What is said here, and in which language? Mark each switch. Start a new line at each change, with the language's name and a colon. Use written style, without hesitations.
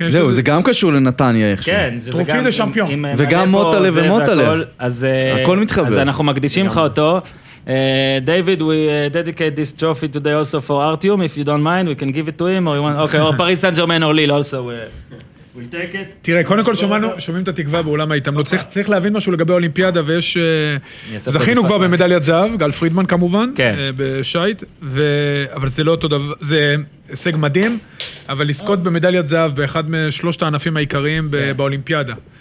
Hebrew: זהו, זה גם קשור לנתניה איכשהו. כן, זה גם... טרופי דה צ'מפיון. וגם מוטלה ומוטלה. הכל מתחבר. אז אנחנו מקדישים לך אותו.
English: David, we dedicate this trophy today also for Artyom. If you don't mind, we can give it to him. Okay, or Paris Saint-Germain or Lille also. We'll take it.
Hebrew: תראה, קודם כל שומענו, שומעים את התקווה בעולם ההתעמלות. צריך להבין משהו לגבי האולימפיאדה, ויש... זכינו כבר במדליית זהב, גל פרידמן כמובן, בשייט, אבל זה לא אותו דבר, זה הישג מדהים, אבל לזכות במדליית זהב באחד משלושת הענפים העיקריים באולימפיאדה.